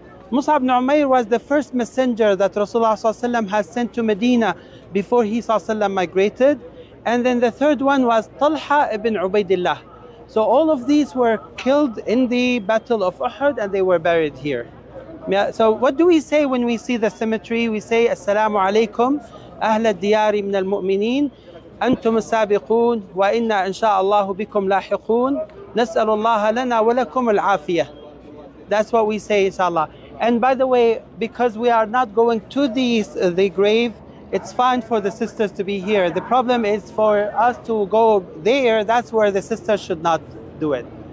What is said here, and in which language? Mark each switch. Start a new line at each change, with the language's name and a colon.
English: Mus'ab ibn Umair was the first messenger that Rasulullah Sallallahu Alaihi Wasallam has sent to Medina before he Sallallahu Alaihi Wasallam migrated. And then the third one was Talha ibn Ubaidillah. So all of these were killed in the Battle of Uhud and they were buried here. So what do we say when we see the cemetery? We say Assalamu alaikum.
Arabic: أهل الديار من المؤمنين أنتم السابقون وإنا إن شاء الله بكم لاحقون نسأل الله لنا ولكم العافية.
English: That's what we say, inshallah. And by the way, because we are not going to the grave, it's fine for the sisters to be here. The problem is for us to go there. That's where the sisters should not do it.